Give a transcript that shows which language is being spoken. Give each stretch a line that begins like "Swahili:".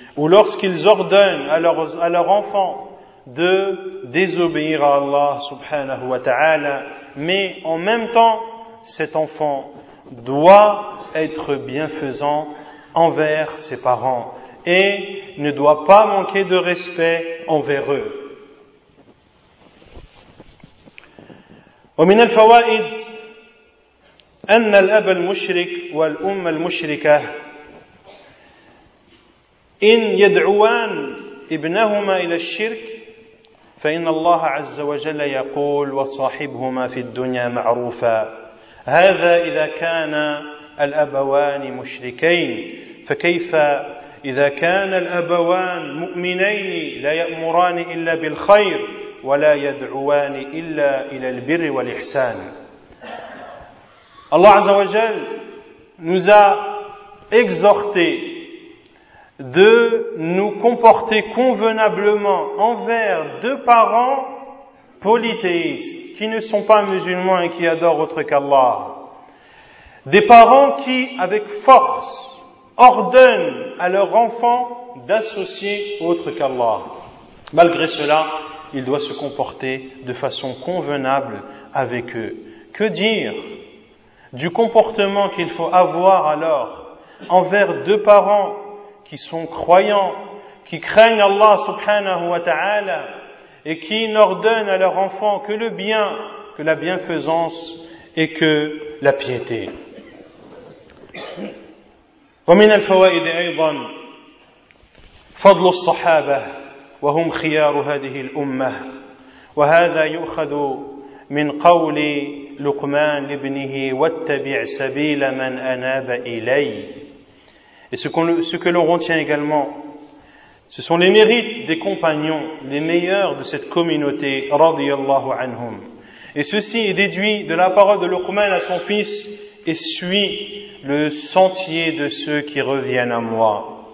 French: Ou lorsqu'ils ordonnent à leur enfant de désobéir à Allah subhanahu wa ta'ala, mais en même temps, cet enfant doit être bienfaisant envers ses parents et ne doit pas manquer de respect envers eux.
Arabic: ومن الفوائد أن الأب المشرك والأم المشركة إن يدعوان ابنهما إلى الشرك فإن الله عز وجل يقول وصاحبهما في الدنيا معروفا هذا إذا كان الأبوان مشركين فكيف إذا كان الأبوان مؤمنين لا يأمران إلا بالخير ولا يدعوان إلا إلى البر والإحسان. الله عز وجل
French: nous a exhorté de nous comporter convenablement envers deux parents polythéistes qui ne sont pas musulmans et qui adorent autre qu'Allah. Des parents qui, avec force, ordonnent à leur enfant d'associer autre qu'Allah. Malgré cela, il doit se comporter de façon convenable avec eux. Que dire du comportement qu'il faut avoir alors envers deux parents qui sont croyants, qui craignent Allah subhanahu wa ta'ala et qui n'ordonnent à leur enfant que le bien, que la bienfaisance et que la piété.
Arabic: ومن الفوائد أيضا فضل الصحابة وهم خيار هذه الأمة وهذا يؤخذ من قول لقمان لابنه واتبع سبيل من أناب إلي.
French: Et ce que l'on retient également, ce sont les mérites des compagnons, les meilleurs de cette communauté, radiyallahu anhum. Et ceci est déduit de la parole de Luqman à son fils, et suit le sentier de ceux qui reviennent à moi.